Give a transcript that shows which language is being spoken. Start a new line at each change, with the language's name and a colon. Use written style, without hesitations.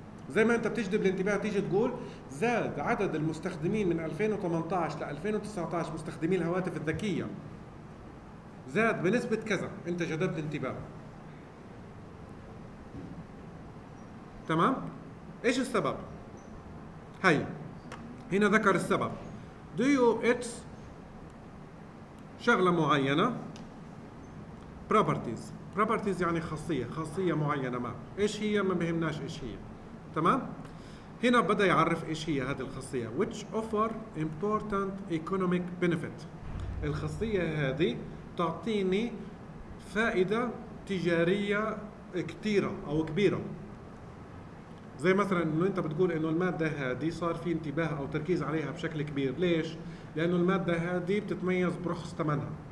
Arabic: زي ما انت بتجذب الانتباه تيجي تقول زاد عدد المستخدمين من 2018 ل 2019 مستخدمي الهواتف الذكيه، زاد بنسبه كذا، انت جذبت انتباه، تمام؟ ايش السبب؟ هاي هنا ذكر السبب.
English: Do you its
Arabic: شغلة معينة
English: properties
Arabic: يعني خاصية معينة. ما ايش هي؟ ما بهمناش ايش هي، تمام؟ هنا بدأ يعرف ايش هي هذه الخاصية.
English: which offer important economic benefit.
Arabic: الخاصية هذه تعطيني فائدة تجارية كثيرة او كبيرة. زي مثلا انه انت بتقول انه الماده هذه صار في انتباه او تركيز عليها بشكل كبير. ليش؟ لانه الماده هذه بتتميز برخص ثمنها.